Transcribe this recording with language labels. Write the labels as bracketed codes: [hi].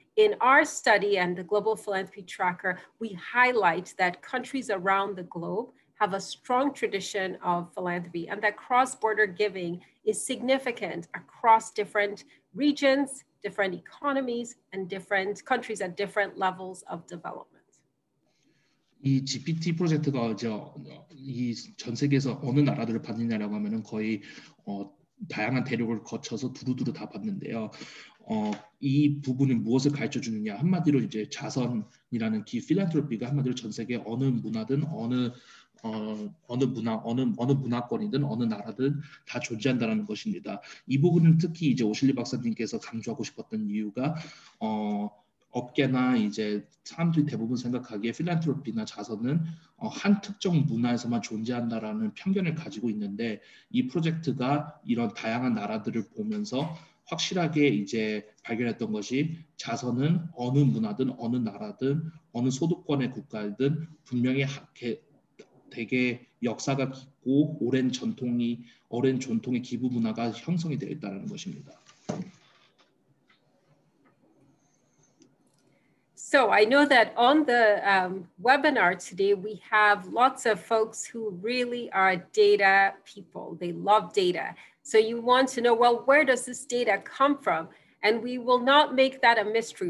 [en] In our study and the Global Philanthropy Tracker, we highlight that countries around the globe have a strong tradition of philanthropy and that cross-border giving is significant across different regions, different economies, and different countries at different levels of development. [ko] 이 GPT 프로젝트가 이제 이 전 세계에서 어느 나라들을 봤느냐라고 하면은 거의 다양한 대륙을 거쳐서 두루두루 다 봤는데요. 이 부분이 무엇을 가르쳐 주느냐 한마디로 이제 자선이라는 기 필란트로피가 한마디로 전 세계 어느 문화든 어느 문화권이든 어느 나라든 다 존재한다라는 것입니다. 이 부분은 특히 이제 오실리 박사님께서 강조하고 싶었던 이유가 업계나 이제 사람들이 대부분 생각하기에 필란트로피나 자선은 한 특정 문화에서만 존재한다라는 편견을 가지고 있는데 이 프로젝트가 이런 다양한 나라들을 보면서 확실하게 이제 발견했던 것이 자선은 어느 문화든 어느 나라든 어느 소득권의 국가든 분명히 되게 역사가 깊고 오랜 전통의 기부 문화가 형성이 되어 있다는 것입니다. [en] So I know that on the webinar today, we have lots of folks who really are data people. They love data. So you want to know, well, where does this data come from? And we will not make that a mystery.